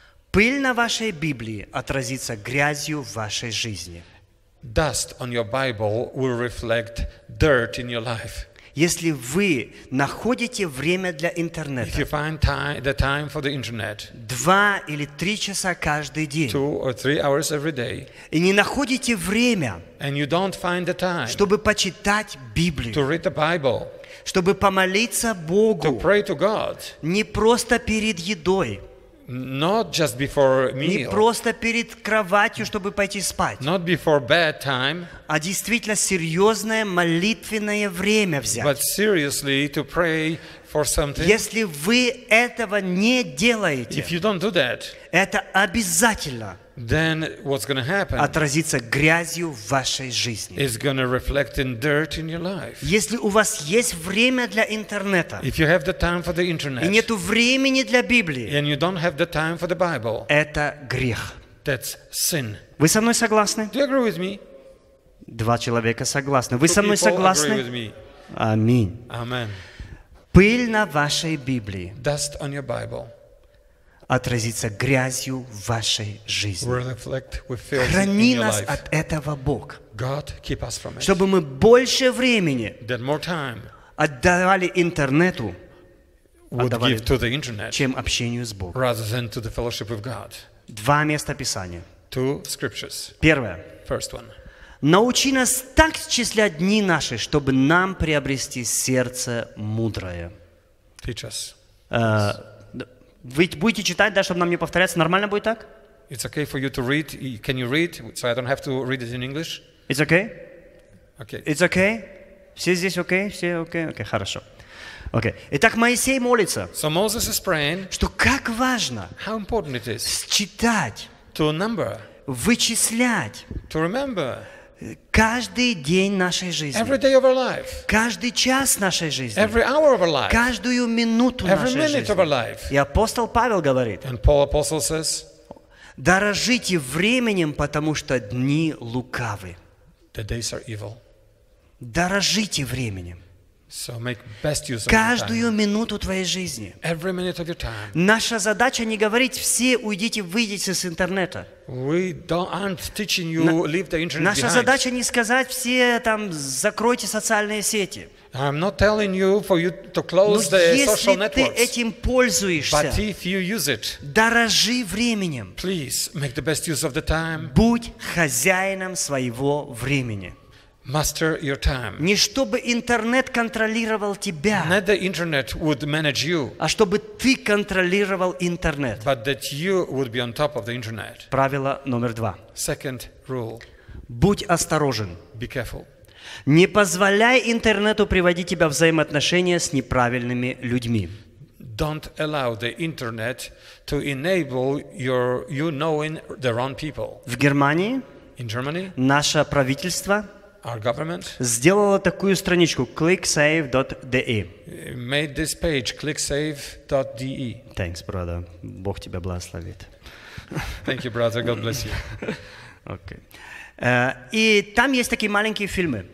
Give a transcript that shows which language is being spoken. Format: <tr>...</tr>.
<ru>Пыль на вашей Библии отразится грязью в вашей жизни.</ru> <en>Dust on your Bible will reflect dirt in your life.</en> <ru>Если вы находите время для интернета,</ru> <en>if you find time, the time for the internet,</en> <ru>2 или 3 часа каждый день,</ru> <en>2 or 3 hours every day,</en> <ru>и не находите время,</ru> <en>and you don't find the time,</en> <ru>чтобы почитать Библию,</ru> <en>to read the Bible,</en> <ru>чтобы помолиться Богу,</ru> <en>to pray to God,</en> <ru>не просто перед едой,</ru> <en>not just before meal,</en> <ru>не просто перед кроватью, чтобы пойти спать,</ru> <en>not before bedtime,</en> <ru>а действительно серьезное молитвенное время взять.</ru> <en>But seriously to pray for something.</en> <ru>Если вы этого не делаете,</ru> <en>if you don't do that,</en> <ru>это обязательно,</ru> <en>then what's going to happen?</en> <ru>Отразится грязью в вашей жизни.</ru> <en>It's going to reflect in dirt in your life.</en> <ru>Если у вас есть время для интернета,</ru> <en>if you have the time for the internet,</en> <ru>и нету времени для Библии,</ru> <en>and you don't have the time for the Bible,</en> <ru>это грех.</ru> <en>that's sin.</en> <ru>Вы со мной согласны?</ru> <en>Do you agree with me?</en> <ru>Два человека согласны. Вы со мной согласны?</ru> <en>Agree with me.</en> <ru>Аминь.</ru> <en>Amen.</en> <ru>Пыль на вашей Библии.</ru> <en>Dust on your Bible.</en> <ru>Отразится грязью вашей жизни.</ru> <en>We'll reflect with filth.</en> <ru>Храни нас</ru> <en>in your life.</en> <ru>От этого Бог.</ru> <en>God, keep us from it.</en> <ru>Чтобы мы больше времени</ru> <en>that more time</en> <ru>отдавали интернету,</ru> <en>would give to the internet,</en> <ru>чем общению с Богом.</ru> <en>Rather than to the fellowship with God.</en> <ru>Два места Писания.</ru> <en>Two scriptures.</en> <ru>Первое.</ru> <en>First one.</en> <ru>Научи нас так счислять дни наши, чтобы нам приобрести сердце мудрое.</ru> <en>Teach us.</en> <ru>Вы будете читать, да, чтобы нам не повторяться? Нормально будет так?</ru> <en>It's okay for you to read. Can you read? So I don't have to read it in English. It's okay? Okay. It's okay?</en> <ru>Все здесь okay? Все okay? Okay, хорошо. Okay. Итак, Моисей молится,</ru> <en>so Moses is praying,</en> <ru>что как важно</ru> <en>how important it is</en> <ru>считать,</ru> <en>to number,</en> <ru>вычислять,</ru> <en>to remember,</en> <ru>каждый день нашей жизни,</ru> <en>every day of our life,</en> <ru>каждый час нашей жизни,</ru> <en>every hour of our life,</en> <ru>каждую минуту</ru> <en>every</en> <ru>нашей</ru> <en>minute</en> <ru>жизни.</ru> <en>Of our life.</en> <ru>И апостол Павел говорит,</ru> <en>and Paul Apostle says,</en> <ru>дорожите временем, потому что дни лукавы.</ru> <en>The days are evil.</en> <ru>Дорожите временем.</ru> <en>So make best use of</en> <ru>каждую</ru> <en>time.</en> <ru>Минуту твоей жизни.</ru> <en>Every minute of your time.</en> <ru>Наша задача не говорить все уйдите, выйдите с интернета.</ru> <en>We aren't teaching you leave the internet</en> <ru>наша</ru> <en>behind.</en> <ru>Задача не сказать все там закройте социальные сети.</ru> <en>I'm not telling you for you to close</en> <ru>Но</ru> <en>the social networks.</en> <ru>Если ты этим пользуешься,</ru> <en>but if you use it,</en> <ru>дорожи временем.</ru> <en>Please make the best use of the time.</en> <ru>Будь хозяином своего времени.</ru> <en>Master your time.</en> <ru>Не чтобы интернет контролировал тебя.</ru> <en>Not the internet would manage you.</en> <ru>А чтобы ты контролировал интернет.</ru> <en>But that you would be on top of the internet.</en> <ru>Правило номер два.</ru> <en>Second rule.</en> <ru>Будь осторожен.</ru> <en>Be careful.</en> <ru>Не позволяй интернету приводить тебя в взаимоотношения с неправильными людьми.</ru> <en>Don't allow the internet to enable you knowing the wrong people.</en> <ru>В Германии.</ru> <en>In Germany.</en> <ru>Наше правительство.</ru> <en>Our government</en> <ru>сделала такую страничку clicksave.de.</ru> <en>Made this page clicksave.de. Thanks, brother.</en> <ru>Бог тебя благословит.</ru> <en>Thank you, brother. God bless you. Okay.</en> <ru>И там есть такие маленькие фильмы.</ru>